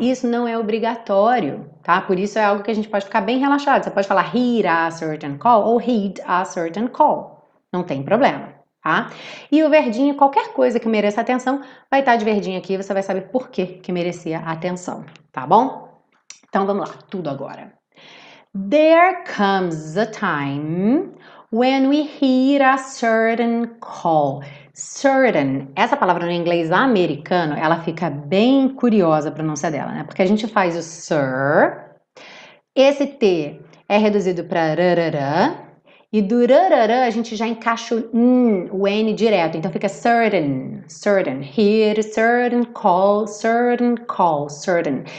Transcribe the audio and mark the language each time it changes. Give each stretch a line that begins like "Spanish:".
Portuguese: Isso não é obrigatório, tá? Por isso é algo que a gente pode ficar bem relaxado. Você pode falar
English: heed a certain call
Portuguese: ou heed a certain call. Não tem problema. Tá? E o verdinho, qualquer coisa que mereça atenção, vai estar de verdinho aqui e você vai saber por que que merecia atenção, tá bom? Então vamos lá, tudo agora.
English: There comes a time when we hear a certain call.
Portuguese: Certain, essa palavra no inglês americano, ela fica bem curiosa a pronúncia dela, né? Porque a gente faz o sir, esse T é reduzido para rarara. E do rarara a gente já encaixa o N direto. Então fica
English: certain, certain. Hear certain call, certain call, certain.